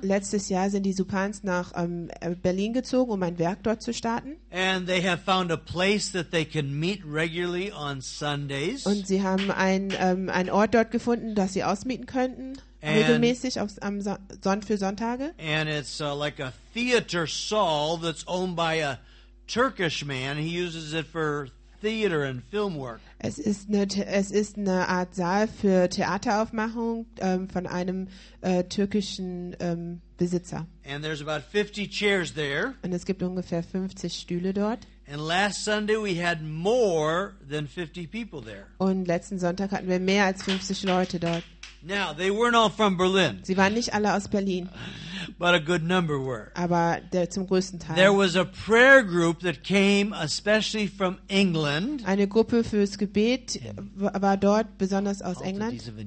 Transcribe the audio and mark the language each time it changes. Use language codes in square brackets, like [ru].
[de] Letztes Jahr sind die Supans nach Berlin gezogen, um ein Werk dort zu starten. [en] And they have found a place that they can meet regularly on Sundays. [de] Und sie haben einen Ort dort gefunden, dass sie ausmieten könnten. Regelmäßig auf für Sonntage. [en] And it's like a theater saal that's owned by a Turkish man. He uses it for theater and film work. [de] Es ist eine Art Saal für Theateraufmachung von einem türkischen Besitzer. [en] And there's about 50 chairs there. [de] Und es gibt ungefähr 50 Stühle dort. [en] And last Sunday we had more than 50 people there. [de] Und letzten Sonntag hatten wir mehr als 50 Leute dort. [en] Now, they weren't all from Berlin. [de] Sie waren nicht alle aus Berlin. [en] But a good number were. [de] Aber zum größten Teil. [en] There was a prayer group that came especially from England. [de] Eine Gruppe fürs Gebet war dort, besonders aus England.